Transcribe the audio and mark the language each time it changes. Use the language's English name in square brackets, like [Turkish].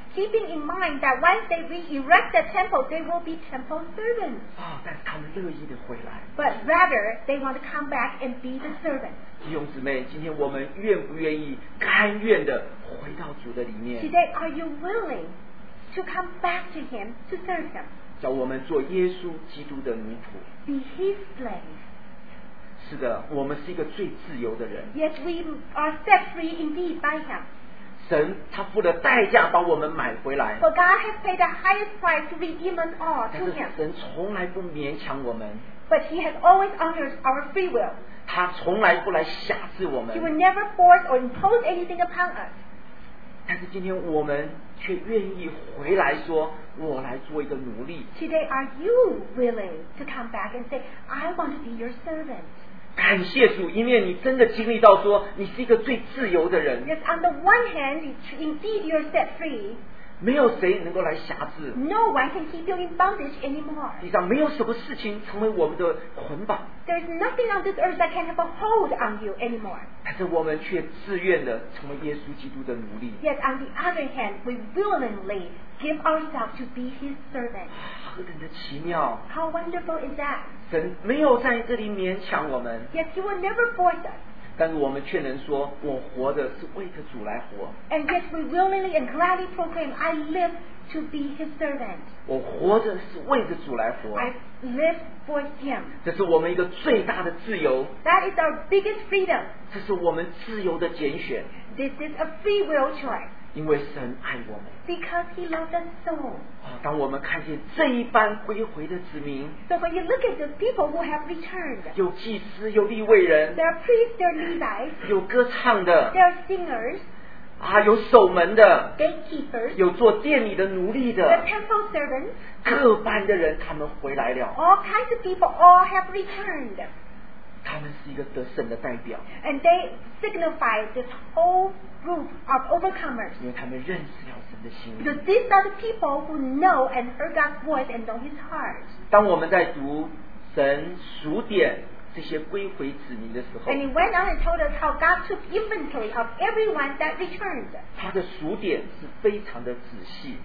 [English] Keeping in mind that once they re-erect the temple, they will be temple servants. [Chinese] 但是他们乐意地回来。 [English] But rather, they want to come back and be the servants. [Chinese] 弟兄姊妹，今天我们愿不愿意、甘愿地回到主的里面 [English] ？Today, are you willing to come back to Him to serve Him? [Chinese] 叫我们做耶稣基督的奴仆。 [English] Be His slave. [Chinese] 是的，我们是一个最自由的人。 [English] Yes, we are set free indeed by Him. [Chinese] 神他付了代价把我们买回来。 [English] For God has paid the highest price to redeem us all to Him. [Chinese] 但是神从来不勉强我们。 [English] But He has always honored our free will. [Chinese] 他从来不来辖制我们。 [English] He will never force or impose anything upon us. [Chinese] 但是今天我们却愿意回来说，我来做一个奴隶。 [English] Today, are you willing to come back and say, I want to be your servant? [Chinese] 感谢主，因为你真的经历到说你是一个最自由的人。 [English] Yes, on the one hand, indeed you're set free. [Chinese] 没有谁能够来辖制。 [English] No one can keep you in bondage anymore. [Chinese] 地上没有什么事情成为我们的捆绑。 [English] There's nothing on this earth that can have a hold on you anymore. [Chinese] 但是我们却自愿的成为耶稣基督的奴隶。 [English] Yet on the other hand, we willingly give ourselves to be His servant. [Chinese] 何等的奇妙！ [English] How wonderful is that? [Chinese] 神没有在这里勉强我们。 [English] Yes, He will never force us. [Chinese] 但是我们却能说，我活的是为着主来活。 [English] And yes, we willingly and gladly proclaim, I live to be His servant. [Chinese] 我活着是为着主来活。 [English] I live for Him. [Chinese] 这是我们一个最大的自由。 [English] That is our biggest freedom. [Chinese] 这是我们自由的拣选。 [English] This is a free will choice. [Chinese] 因为神爱我们。 [English] Because He loved us so. [Chinese] 当我们看见这一班归回的子民。 [English] So when you look at the people who have returned. [Chinese] 有祭司，有利未人。 [English] There are priests, there are Levites. [Chinese] 有歌唱的。 [English] There are singers. [Chinese] 有守门的。 [English] Gatekeepers. [Chinese] 有做殿里的奴隶的。 [English] The temple servants. [Chinese] 各班的人他们回来了。 [English] All kinds of people all have returned. [Chinese] 他们是一个得胜的代表。 [English] And they signify this whole group of overcomers. [Chinese] 因为他们认识了神的心。 [English] Because these are the people who know and heard God's voice and know His heart. [Chinese] 当我们在读神数点这些归回子民的时候。 [English] And He went on and told us how God took inventory of everyone that returned. [Chinese] 他的数点是非常的仔细。